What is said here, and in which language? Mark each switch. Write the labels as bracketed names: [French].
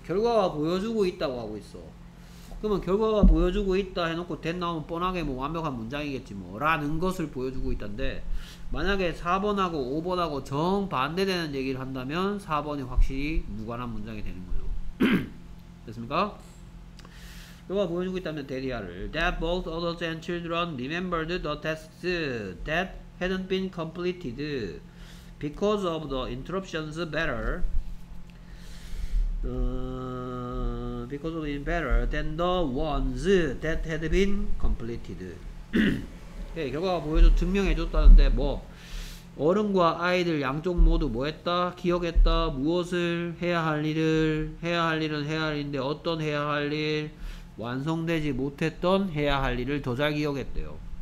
[Korean] 결과가 보여주고 있다고 하고 있어. 그러면 결과가 보여주고 있다 해놓고 된 나오면 뻔하게 뭐 완벽한 문장이겠지 뭐 라는 것을 보여주고 있던데 만약에 4번하고 5번하고 정반대되는 얘기를 한다면 4번이 확실히 무관한 문장이 되는 거죠. 됐습니까? 결과가 보여주고 있다면 대리아를 [English] That both adults and children remembered the tasks that hadn't been completed because of the interruptions better Because of being better than the ones that had been completed. [Korean] 네, 결과가 보여줘 증명해줬다는데 뭐 어른과 아이들 양쪽 모두 뭐 했다? 기억했다? 무엇을 해야 할 일을 해야 할 일은 해야 할 일인데 어떤 해야 할 일? 완성되지 못했던 해야 할 일을 더잘 기억했대요.